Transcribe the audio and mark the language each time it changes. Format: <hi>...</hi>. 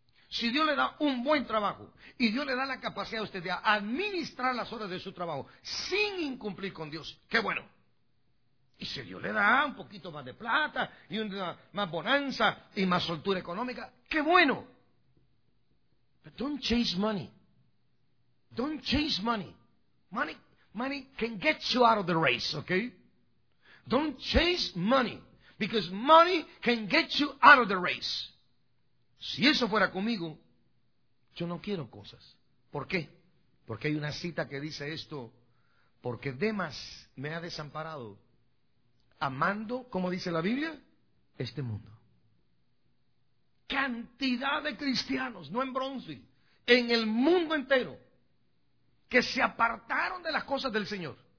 <es>Si Dios le da un buen trabajo y Dios le da la capacidad a usted de administrar las horas de su trabajo sin incumplir con Dios, qué bueno. Y si Dios le da un poquito más de plata y una más bonanza y más soltura económica, ¡qué bueno!</es> <en>But don't chase money. Don't chase money. Money can get you out of the race, okay? Don't chase money, because money can get you out of the race.</en> <es>Si eso fuera conmigo, yo no quiero cosas. ¿Por qué? Porque hay una cita que dice esto, porque Demas me ha desamparado. Amando, como dice la Biblia, este mundo. Cantidad de cristianos, no en Brownsville, en el mundo entero, que se apartaron de las cosas del Señor.</es>